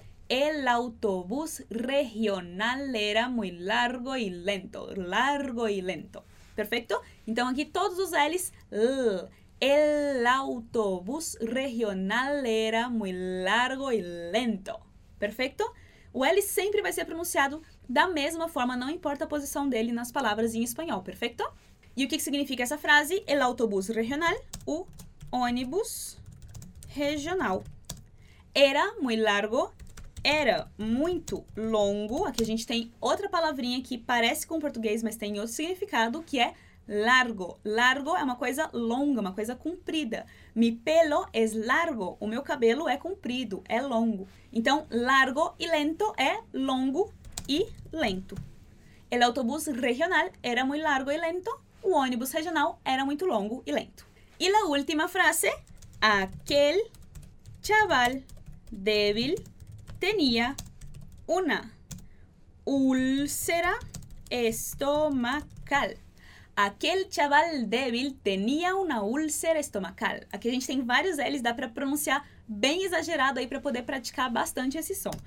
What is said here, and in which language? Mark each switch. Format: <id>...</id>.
<es>El autobús regional era muy largo y lento, largo y lento. Perfecto? Então aquí todos los L's. El autobús regional era muy largo y lento. Perfecto?</es> <pt>O L sempre vai ser pronunciado da mesma forma, não importa a posição dele nas palavras em espanhol.</pt> <es>Perfecto?</es> <pt>E o que significa essa frase?</pt> <es>El autobús regional,</es> <pt>o ônibus regional.</pt> <es>Era muy largo,</es> <pt>era muito longo. Aqui a gente tem outra palavrinha que parece com o português, mas tem outro significado, que é largo. Largo é uma coisa longa, uma coisa comprida.</pt> <es>Mi pelo es largo.</es> <pt>O meu cabelo é comprido, é longo. Então, largo e lento é longo e lento.</pt> <es>El autobús regional era muy largo y lento.</es> <pt>O ônibus regional era muito longo e lento. E a última frase,</pt> <es>aquel chaval débil tenía una úlcera estomacal. Aquel chaval débil tenía una úlcera estomacal.</es> <pt>Aqui a gente tem vários L's, dá para pronunciar bem exagerado aí para poder praticar bastante esse som.</pt>